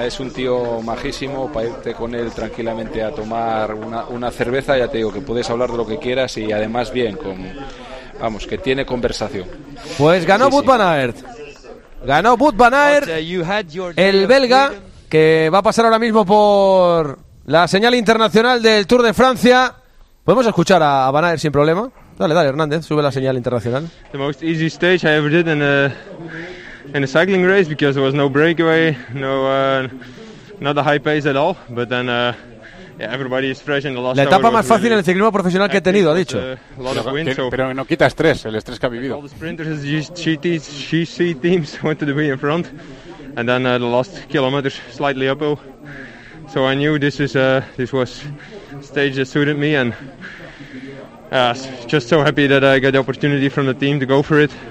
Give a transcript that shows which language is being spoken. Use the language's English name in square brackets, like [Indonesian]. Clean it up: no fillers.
[Spanish] Es un tío majísimo, para irte con él tranquilamente a tomar una cerveza, ya te digo que puedes hablar de lo que quieras y además bien, con vamos, que tiene conversación. Pues ganó Wout van Aert. Ganó Wout van Aert, el belga, que va a pasar ahora mismo por la señal internacional del Tour de Francia. ¿Podemos escuchar a van Aert sin problema? Dale, dale, Hernández, sube la señal internacional. [English] The most easy stage I ever did in a cycling race, because there was no breakaway, not a high pace at all, but then everybody is fresh in the last. [Spanish] La etapa más fácil en el ciclismo profesional que he tenido, ha dicho. Pero no quita estrés, el estrés que ha vivido. [English] All the sprinters, GC teams wanted to be in front, and then the last kilometers slightly uphill, so I knew this was stage that suited me, and just so happy that I got the opportunity from the team to go for it.